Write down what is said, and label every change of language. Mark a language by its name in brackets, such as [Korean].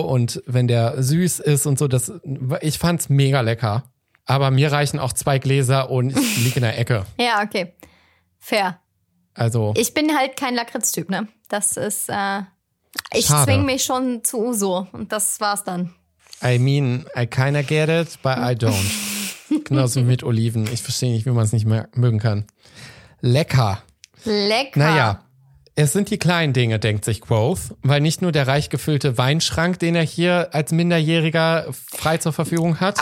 [German] Und wenn der süß ist und so, ich fand's mega lecker. Aber mir reichen auch 2 Gläser und ich liege in der Ecke. Ja, okay. Fair. Also. Ich bin halt kein Lakritz-Typ, ne? Das ist, ich schade. Zwing mich schon zu Uso und das war's dann. [English] I mean, I kinda get it, but I don't. [German] Genauso mit Oliven. Ich verstehe nicht, wie man es nicht mehr mögen kann. Lecker. Lecker. Naja, es sind die kleinen Dinge, denkt sich Quoth, weil nicht nur der reich gefüllte Weinschrank, den er hier als Minderjähriger frei zur Verfügung hat.